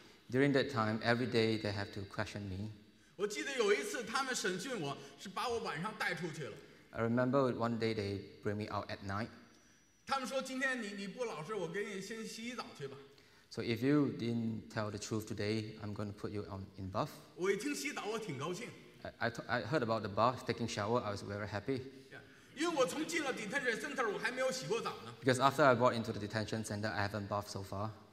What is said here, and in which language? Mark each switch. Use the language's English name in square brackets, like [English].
[English] During that time, every day they have to question me. I remember one day they bring me out at night. [Chinese] 他们说今天你不老实，我给你先洗澡去吧。 [English] So if you didn't tell the truth today, I'm going to put you on in bath. [Chinese] 我一听洗澡，我挺高兴。 [English] I heard about the bath, taking shower, I was very happy. [Chinese] Yeah, 因为我从进了 [English] detention center, [Chinese] 我还没有洗过澡呢。 [English] Because after I got into the detention center, I haven't bathed so far.